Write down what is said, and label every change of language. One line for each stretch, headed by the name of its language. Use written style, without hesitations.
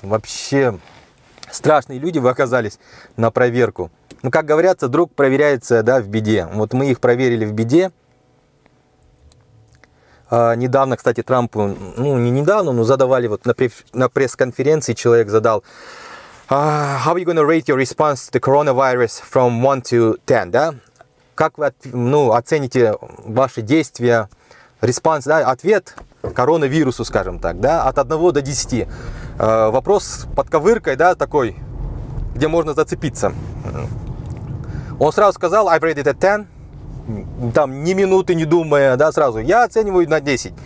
Russian: Вообще страшные люди вы оказались на проверку. Ну, как говорится, друг проверяется, да, в беде. Вот мы их проверили в беде. Недавно, кстати, Трампу, ну, не недавно, но задавали, вот на пресс-конференции человек задал.
English: How are you going to rate your response to the coronavirus from 1 to 10, да?
Russian: Как вы, ну, оцените ваши действия, респонс, да, ответ коронавирусу, скажем так, да, от 1 до 10. Вопрос под ковыркой, да, такой, где можно зацепиться. Он сразу сказал,
English: I've rated it at 10,
Russian: там ни минуты не думая, да, сразу, я оцениваю на 10.